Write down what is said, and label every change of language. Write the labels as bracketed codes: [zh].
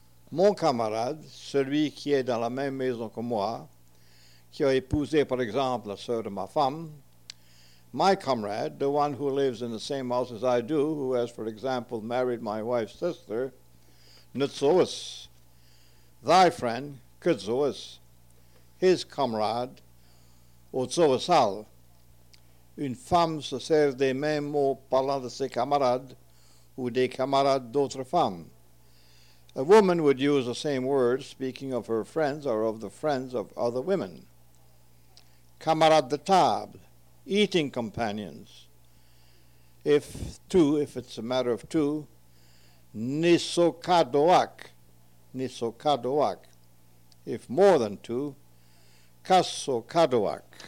[fr] Mon camarade, celui qui est dans la même maison que moi, qui a épousé, par exemple, la sœur de ma femme. [en] My comrade, the one who lives in the same house as I do, who has, for example, married my wife's sister, Nutsois. Thy friend, Kutsois. His comrade, Otsoasal. [fr] Une femme se sert des mêmes mots parlant de ses camarades ou des camarades d'autres femmes. [en] A woman would use the same words speaking of her friends or of the friends of other women. [fr] Camarade de table. [en] Eating companions, if it's a matter of two, nisokadoak, if more than two, kasokadoak.